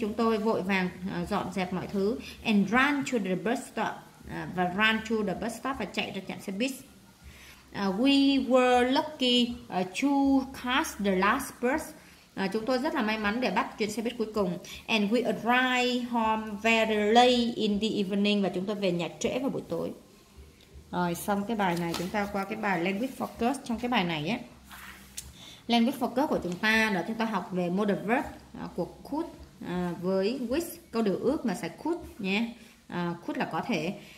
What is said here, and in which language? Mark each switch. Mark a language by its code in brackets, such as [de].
[vi] Chúng tôi vội vàng dọn dẹp mọi thứ. [en] And ran to the bus stop. [vi] Và [en] ran to the bus stop [vi] và chạy ra trạm xe buýt. [en] We were lucky to catch the last bus. [vi] Chúng tôi rất là may mắn để bắt chuyến xe buýt cuối cùng. [en] And we arrived home very late in the evening. [vi] Và chúng tôi về nhà trễ vào buổi tối. Rồi xong cái bài này, chúng ta qua cái bài language focus. Trong cái bài này á, language focus của chúng ta là chúng ta học về modal verb của could với with, câu điều ước mà xài could nhé. Could là có thể.